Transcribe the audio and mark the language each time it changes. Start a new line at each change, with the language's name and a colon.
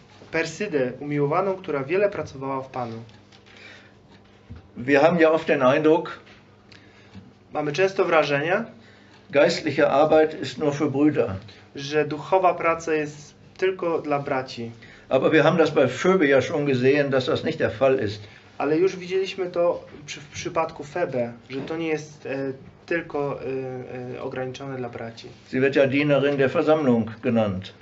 Polish: Perside, umiłowaną, która wiele pracowała w Panu.
German: Wir haben ja oft den Eindruck,
Polish: mamy często wrażenie,
German: geistliche Arbeit ist nur für Brüder,
Polish: że duchowa praca jest tylko dla braci.
German: Aber wir haben das bei Phoebe ja schon gesehen, dass das nicht der Fall ist.
Polish: Ale już widzieliśmy to w przypadku Febe, że to nie jest tylko ograniczone dla braci.
German: Sie wird ja Dienerin der Versammlung genannt.